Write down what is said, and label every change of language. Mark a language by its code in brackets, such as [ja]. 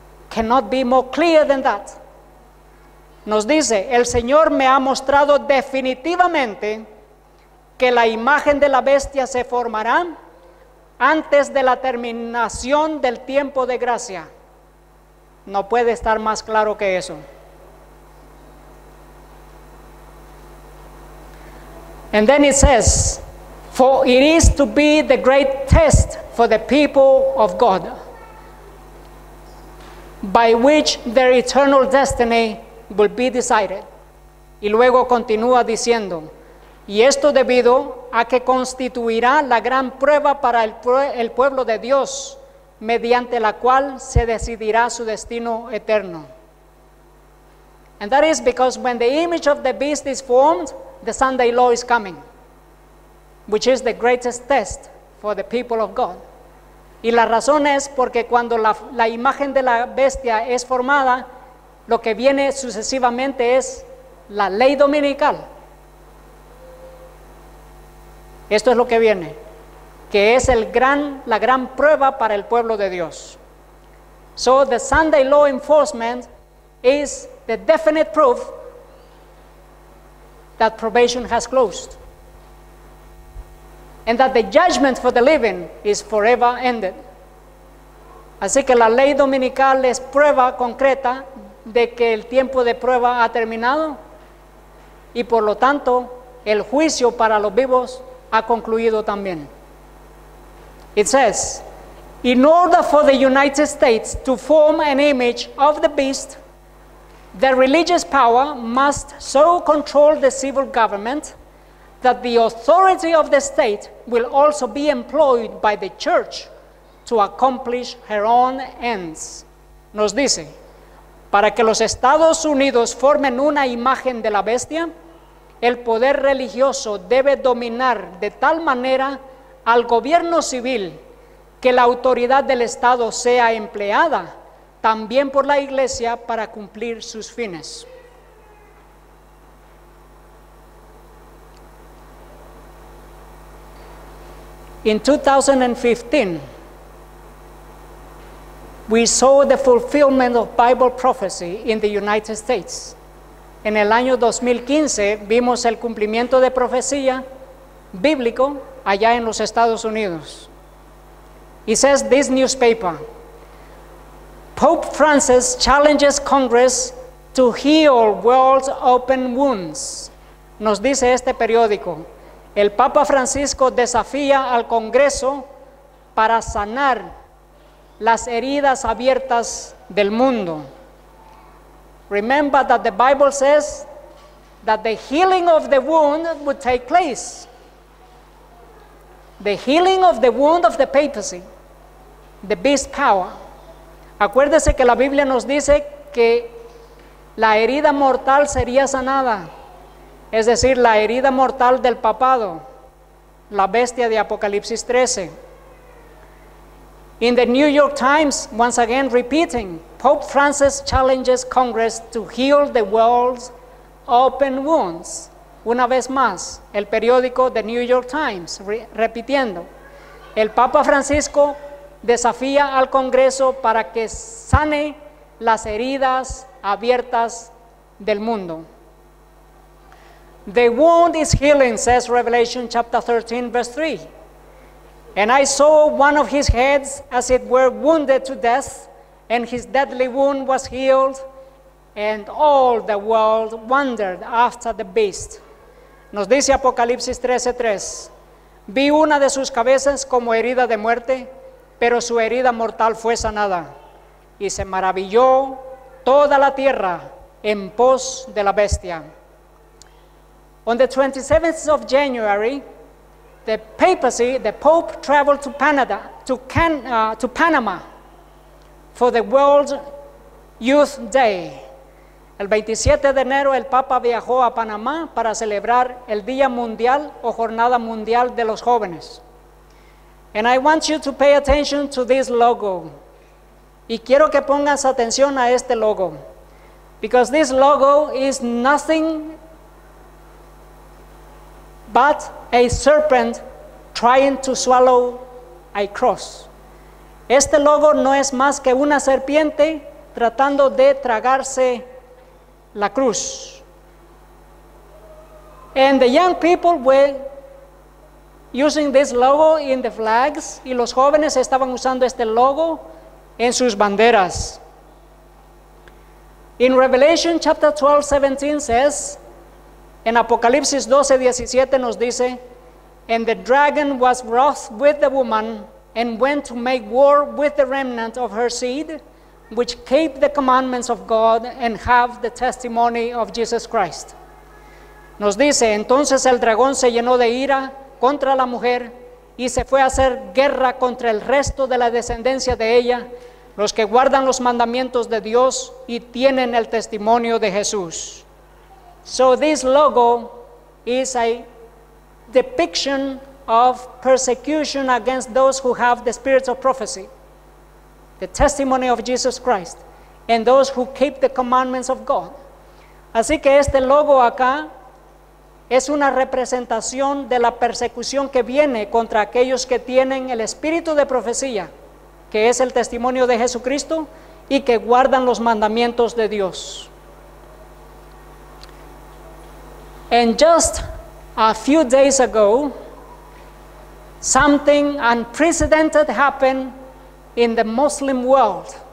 [en] Cannot be more clear than that. [es] Nos dice, "El Señor me ha mostrado definitivamente que la imagen de la bestia se formará antes de la terminación del tiempo de gracia." No puede estar más claro que eso. [en] And then it says, "For it is to be the great test for the people of God, by which their eternal destiny will be decided." [es] Y luego continúa diciendo, "Y esto debido a que constituirá la gran prueba para el pueblo de Dios, mediante la cual se decidirá su destino eterno." [en] And that is because when the image of the beast is formed, the Sunday law is coming, which is the greatest test for the people of God. [es] Y la razón es porque cuando la imagen de la bestia es formada, lo que viene sucesivamente es la ley dominical. Esto es lo que viene, que es la gran prueba para el pueblo de Dios. [en] So the Sunday law enforcement is the definite proof that probation has closed, and that the judgment for the living is forever ended. [es] Así que la ley dominical es prueba concreta de que el tiempo de prueba ha terminado, y por lo tanto, el juicio para los vivos ha concluido también. [en] It says, "In order for the United States to form an image of the beast, the religious power must so control the civil government that the authority of the state will also be employed by the church to accomplish her own ends. [es] Nos dice, para que los Estados Unidos formen una imagen de la bestia, el poder religioso debe dominar de tal manera al gobierno civil que la autoridad del Estado sea empleada también por la Iglesia para cumplir sus fines. [en] In 2015, we saw the fulfillment of Bible prophecy in the United States. [es] En el año 2015, vimos el cumplimiento de profecía bíblico allá en los Estados Unidos. [en] It says this newspaper, Pope Francis challenges Congress to heal world's open wounds. [es] Nos dice este periódico, el Papa Francisco desafía al Congreso para sanar las heridas abiertas del mundo. [en] Remember that the Bible says that the healing of the wound would take place. The healing of the wound of the papacy, the beast power. [es] Acuérdese que la Biblia nos dice que la herida mortal sería sanada. Es decir, la herida mortal del papado, la bestia de Apocalipsis 13. [en] In the New York Times, once again repeating, Pope Francis challenges Congress to heal the world's open wounds. [es] Una vez más, el periódico The New York Times, repitiendo, el Papa Francisco desafía al Congreso para que sane las heridas abiertas del mundo. [en] The wound is healing, says Revelation chapter 13, verse 3. And I saw one of his heads as it were wounded to death, and his deadly wound was healed, and all the world wondered after the beast. [es] Nos dice Apocalipsis 13, 3. Vi una de sus cabezas como herida de muerte, pero su herida mortal fue sanada. Y se maravilló toda la tierra en pos de la bestia. [en] On the 27th of January, the papacy, the Pope, traveled to Canada, to Panama for the World Youth Day. [es] El 27 de enero, el Papa viajó a Panamá para celebrar el Día Mundial o Jornada Mundial de los Jóvenes. [en] And I want you to pay attention to this logo. [es] Y quiero que pongas atención a este logo. [en] Because this logo is nothing but a serpent trying to swallow a cross. [es] Este logo no es más que una serpiente tratando de tragarse la cruz. [en] And the young people were using this logo in the flags, [es] y los jóvenes estaban usando este logo en sus banderas. [en] In Revelation chapter 12, 17 says, [es] en Apocalipsis 12, 17 nos dice, [en] and the dragon was wroth with the woman and went to make war with the remnant of her seed, which keep the commandments of God and have the testimony of Jesus Christ. [es] Nos dice, entonces el dragón se llenó de ira contra la mujer y se fue a hacer guerra contra el resto de la descendencia de ella, los que guardan los mandamientos de Dios y tienen el testimonio de Jesús. [en] So this logo is a depiction of persecution against those who have the spirit of prophecy, the testimony of Jesus Christ, and those who keep the commandments of God. [es] Así que este logo acá es una representación de la persecución que viene contra aquellos que tienen el espíritu de profecía, que es el testimonio de Jesucristo, y que guardan los mandamientos de Dios. [en] And just a few days ago, something unprecedented happened in the Muslim world.